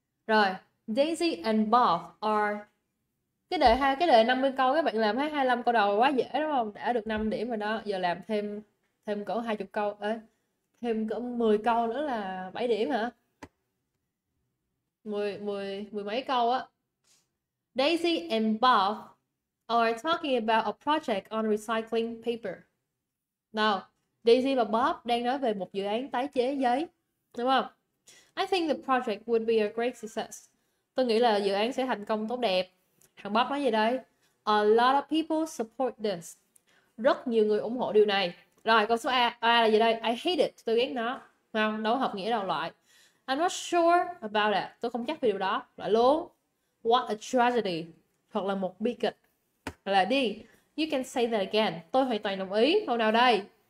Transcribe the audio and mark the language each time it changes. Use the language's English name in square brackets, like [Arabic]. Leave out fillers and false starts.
[English] Rồi, Daisy and Bob are... [Vietnamese] Cái đề hai cái đề 50 câu các bạn làm hết 25 câu đầu quá dễ đúng không? Đã được 5 điểm rồi đó. Giờ làm thêm thêm cỡ 20 câu. Ê, thêm cỡ 10 câu nữa là 7 điểm hả? Mười mấy câu á. [English] Daisy and Bob are talking about a project on recycling paper. [Vietnamese] Nào, Daisy và Bob đang nói về một dự án tái chế giấy, đúng không? [English] I think the project would be a great success. [Vietnamese] Tôi nghĩ là dự án sẽ thành công tốt đẹp. Thằng Bob nói gì đây? A lot of people support this. Rất nhiều người ủng hộ điều này. Rồi, câu số A. A là gì đây? I hate it. Tôi ghét nó. Không, đâu hợp nghĩa đâu loại. I'm not sure about it. Tôi không chắc về điều đó. Loại luôn. What a tragedy. Hoặc là một bi kịch. Hoặc là đi. You can say that again. Tôi hoàn toàn đồng ý. Câu nào đây?